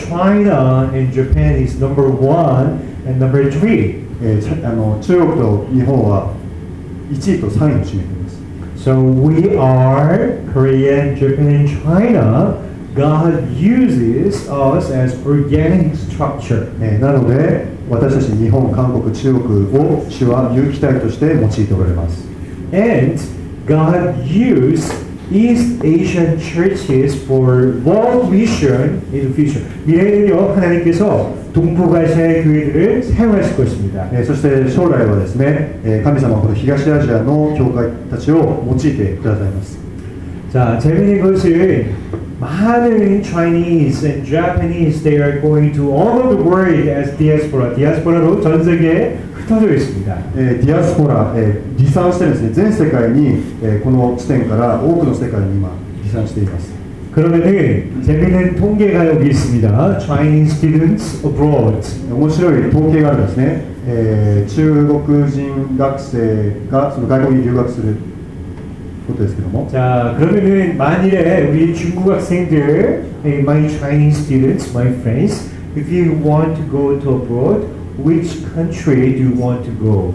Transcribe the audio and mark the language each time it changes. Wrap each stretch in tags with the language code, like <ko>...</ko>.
<en>China and Japan is number one and number three.</en> <ja>中国と日本は1位と3位を占めています。</ja> <en>So we are Korea, Japan, and China. God uses us as organic structure.</en> <ja>なので私たち日本、韓国、中国を主は有機体として用いておられます。</ja> <en>And God used East Asian churches for world mission in the future.</en> <ko>미래는요하나님께서동북아시아교회들을사용하실것입니다。</ko> <ja>そして将来はですね、神様はこの東アジアの教会たちを用いてくださいます。</ja> <ko>자재미있는것은많은</ko> <en>Chinese and Japanese, they are going to all over the world as diaspora.</en> <ko>디아스포라로전세계에흩어져있습니다. 디아스포라,</ko> <ja>離散してですね、全世界に、この地点から多くの世界に今離散しています。</ja> <ko>그러면재미있는통계가여기있습니다.</ko> <en>Chinese students abroad.</en> <ja>面白い統計があるんですね。中国人学生がその外国に留学する。</ja> <ko>자그러면은만일에우리중국학생들</ko> <en>my Chinese students, my friends, if you want to go to abroad, which country do you want to go?</en>